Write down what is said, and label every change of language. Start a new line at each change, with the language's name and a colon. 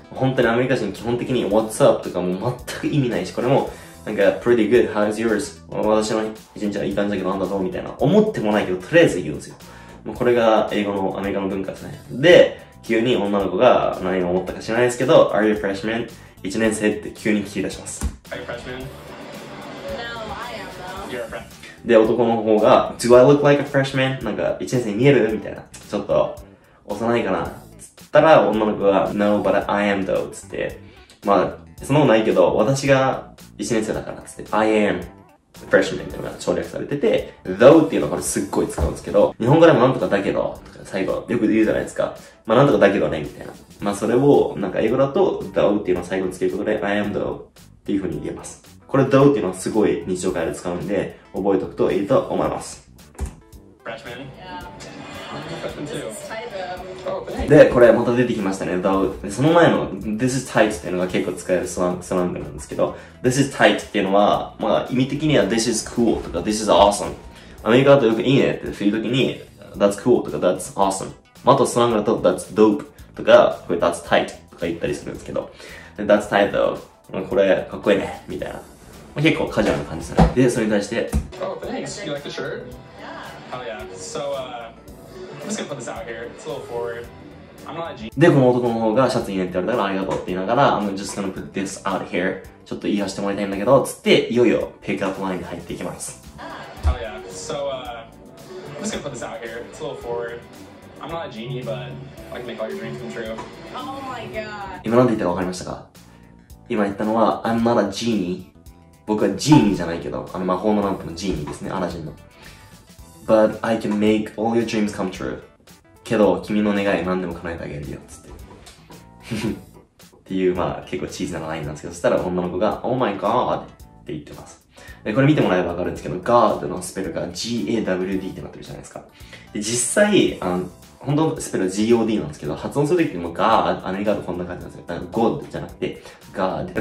Japanese: 本当にアメリカ人基本的に
English: What's up?
Japanese: とかもう全く意味ないし、これもなんか
English: Pretty good, how's yours?
Japanese: 私の一日はいい感じだけどなんだぞみたいな思ってもないけど、とりあえず言うんですよ。もうこれが英語のアメリカの文化ですね。で、急に女の子が何を思ったか知らないですけど
English: Are you a freshman?
Japanese: 1年生って急に聞き出します。
English: Are you a freshman? No, I am though. You're a freshman.
Japanese: で、男の方が、
English: Do I look like a freshman?
Japanese: なんか、1年生見えるみたいな。ちょっと、幼いかな。つったら、女の子が、
English: No, but I am though.
Japanese: つって、まあ、そんなことないけど、私が1年生だから。つって、
English: I am a freshman
Japanese: っていうのが省略されてて、though っていうのはこれすっごい使うんですけど、日本語でもなんとかだけど、とか最後、よく言うじゃないですか。まあ、なんとかだけどね、みたいな。まあそれを、なんか英語だと、though っていうのを最後につけることで、
English: I am though
Japanese: っていう風に言えます。これ though っていうのはすごい日常会話で使うんで、覚えておくといいと思います。
English: Freshman? Yeah. Freshman too.
Japanese: で、これまた出てきましたね、though。で、その前の
English: this is tight
Japanese: っていうのが結構使えるスラングなんですけど、this is tight っていうのは、まあ意味的には
English: this is cool
Japanese: とか
English: this is awesome。
Japanese: アメリカだとよくいいねって言うときに、
English: that's cool
Japanese: とか
English: that's awesome。
Japanese: まあ、あとスラングだと
English: that's dope。
Japanese: とか、これ
English: that's tight
Japanese: とか言ったりするんですけど。で、
English: that's tight though。
Japanese: これ、かっこいいね。みたいな。まあ、結構カジュアルな感じですね。で、それに対して。
English: Oh, thanks. You like the shirt? Yeah. Oh, yeah. So, I'm just gonna put this out here. It's a little forward. I'm not a jean.
Japanese: で、この男の方がシャツいいねって言われたら、ありがとうって言いながら、
English: I'm just gonna put this out here.
Japanese: ちょっと言い合わせてもらいたいんだけど、つって、いよいよ、ピックアップラインに入っていきます。
English: Oh, yeah. So, I'm just gonna put this out here. It's a little forward. I'm not a genie, but I can make all your dreams come true. Oh my god.
Japanese: 今何て言ったか分かりましたか？今言ったのは、
English: I'm not a genie.
Japanese: 僕はジーニーじゃないけど、あの魔法のランプのジーニーですね、アラジンの。
English: But I can make all your dreams come true.
Japanese: けど、君の願い何でも叶えてあげるよ、つって。っていう、まあ、結構チーズなラインなんですけど、そしたら女の子が、
English: Oh my god!
Japanese: って言ってます。これ見てもらえばわかるんですけど、God のスペルが G-A-W-D ってなってるじゃないですか。で実際、本当のスペルは G-O-D なんですけど、発音するときも God、アメリカだとこんな感じなんですよ。だから God じゃなくて God。